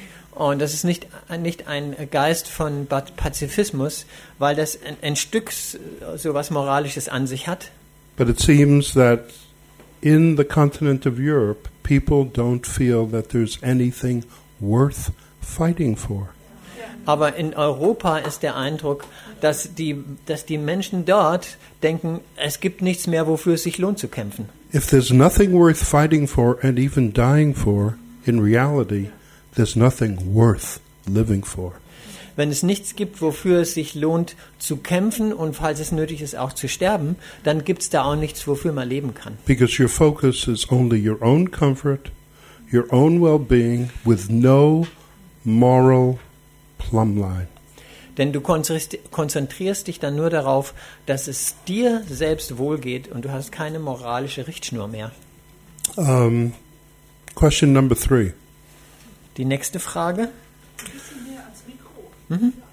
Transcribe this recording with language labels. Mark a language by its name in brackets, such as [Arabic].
[German] Und das ist nicht ein Geist von Pazifismus, weil das ein Stück so was Moralisches an sich hat. [English] But it seems that in the continent of Europe, people don't feel that there's anything worth fighting for. [German] Aber in Europa ist der Eindruck, dass die Menschen dort denken, es gibt nichts mehr, wofür es sich lohnt zu kämpfen. [English] If there's nothing worth fighting for and even dying for, in reality, there's nothing worth living for. [German] Wenn es nichts gibt, wofür es sich lohnt zu kämpfen und falls es nötig ist, auch zu sterben, dann gibt es da auch nichts, wofür man leben kann. [English] Because your focus is only your own comfort, your own well-being with no moral plumb line. [German] Denn du konzentrierst dich dann nur darauf, dass es dir selbst wohlgeht und du hast keine moralische Richtschnur mehr. [English] Question number three. [German] Die nächste Frage. Ein bisschen mehr als Mikro. Mhm.